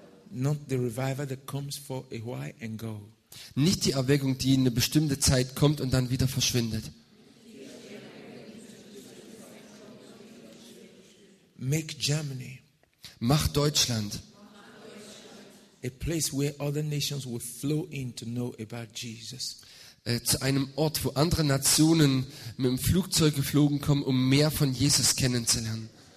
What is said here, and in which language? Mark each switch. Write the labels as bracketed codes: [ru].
[en] Not the revival that comes for a while and go. [de] Nicht die Erweckung, die in eine bestimmte Zeit kommt und dann wieder verschwindet. [en] Make Germany. [de] Mach Deutschland. [en] A place where other nations will flow in to know about Jesus. [de] Zu einem Ort, wo andere Nationen mit dem Flugzeug geflogen kommen, um mehr von Jesus kennenzulernen.